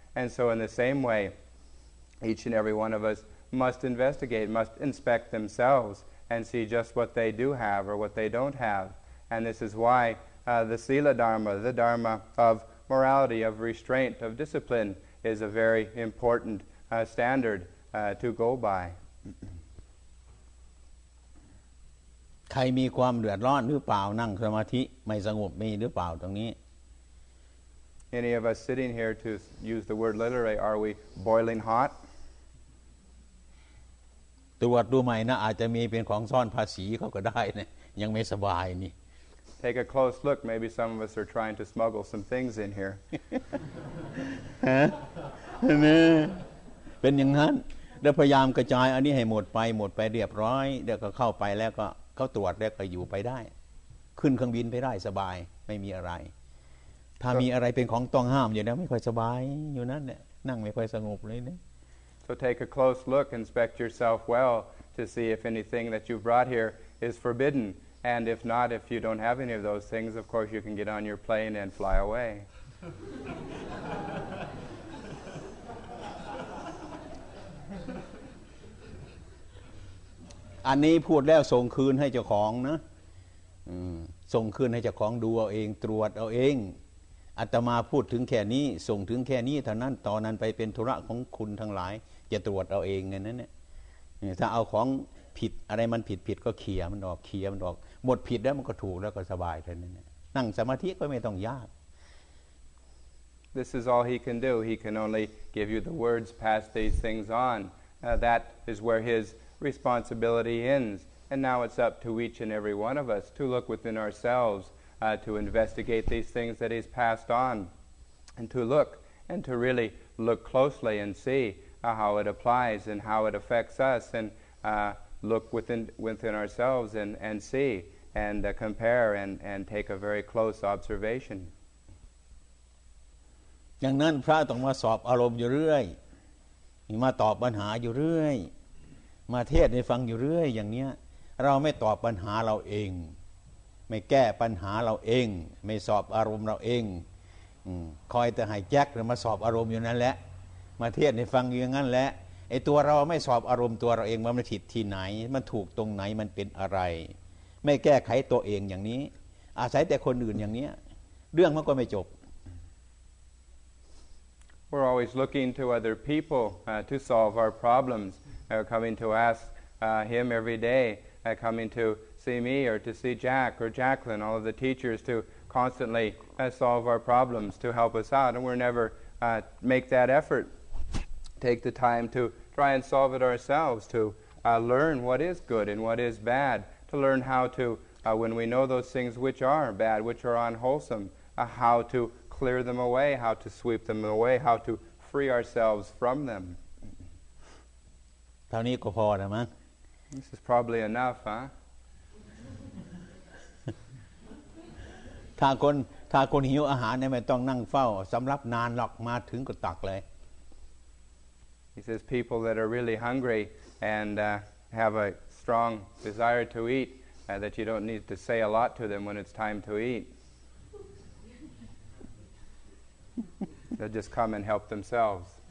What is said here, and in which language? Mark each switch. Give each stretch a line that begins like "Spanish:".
English: And so in the same way, each and every one of us must investigate, must inspect themselves and see just what they do have or what they don't have. And this is why the Sila Dharma, the Dharma of morality, of restraint, of discipline, is a very important standard. To go by
Thai: ใครมีความเดือดร้อนหรือเปล่านั่งสมาธิไม่สงบมีหรือเปล่าตรงนี้
English: Any of us sitting here to use the word literally are we boiling hot
Thai: ตรวจดูใหม่นะอาจจะมีเป็นของซ่อนภาษีเขาก็ได้นะยังไม่สบายนี่
English: Take a close look maybe some of us are trying to smuggle some things in here
Thai: ฮะนี่เป็นอย่างนั้นเดี๋ยวพยายามกระจายอันนี้ให้หมดไปหมดไปเรียบร้อยเดี๋ยวก็เข้าไปแล้วก็เข้าตรวจแล้วก็อยู่ไปได้ขึ้นเครื่องบินไปได้สบายไม่มีอะไรถ้ามีอะไรเป็นของต้องห้ามอยู่แล้วไม่ค่อยสบายอยู่นั่นเนี่ยนั่งไม่ค่อยสงบเลยเนี่ย
English: So take a close look inspect yourself well to see if anything that you brought here is forbidden and if not if you don't have any of those things of course you can get on your plane and fly away
Thai: อันนี้พูดแล้วส่งคืนให้เจ้าของนะส่งคืนให้เจ้าของดูเอาเองตรวจเอาเองอาตมาพูดถึงแค่นี้ส่งถึงแค่นี้เท่านั้นตอนนั้นไปเป็นธุระของคุณทั้งหลายจะตรวจเอาเองไงนั่นเนี่ยถ้าเอาของผิดอะไรมันผิดผิดก็เคลียร์มันออกเคลียร์มันออกหมดผิดแล้วมันก็ถูกแล้วก็สบายเท่านั้นนั่งสมาธิก็ไม่ต้องยาก
English: This is all he can do he can only give you the words pass these things on that is where hisresponsibility ends and now it's up to each and every one of us to look within ourselves to investigate these things that he's passed on and to look and to really look closely and see how it applies and how it affects us and look within ourselves and see and compare and take a very close observation
Thai: ดังนั้นพระต้องมาสอบอารมณ์อยู่เรื่อยมาตอบปัญหาอยู่เรื่อยมาเทศให้ฟังอยู่เรื่อยอย่างเนี้ยเราไม่ตอบปัญหาเราเองไม่แก้ปัญหาเราเองไม่สอบอารมณ์เราเองคอยแต่ให้แจ็คหรือมาสอบอารมณ์อยู่นั่นแหละมาเทศให้ฟังอย่างนั้นแหละไอ้ตัวเราไม่สอบอารมณ์ตัวเราเองมันผิดที่ไหนมันถูกตรงไหนมันเป็นอะไรไม่แก้ไขตัวเองอย่างนี้อาศัยแต่คนอื่นอย่างเนี้ยเรื่องมันก็ไม่จบ
English: We're always looking to other people to solve our problems coming to ask him every day coming to see me or to see Jack or Jacqueline all of the teachers to constantly solve our problems to help us out and we're never make that effort take the time to try and solve it ourselves to learn what is good and what is bad to learn how to when we know those things which are bad which are unwholesome how toclear them away how to sweep them away how to free ourselves from them
Thai: เท่านี้ก็พอนะมั้ง
English: This is probably enough huh
Thai: ถ้าคนหิวอาหารเนี่ยไม่ต้องนั่งเฝ้าสำรับนานหรอกมาถึงก็ตักเลย
English: He says people that are really hungry and have a strong desire to eat that you don't need to say a lot to them when it's time to eatThey'll just come and help themselves.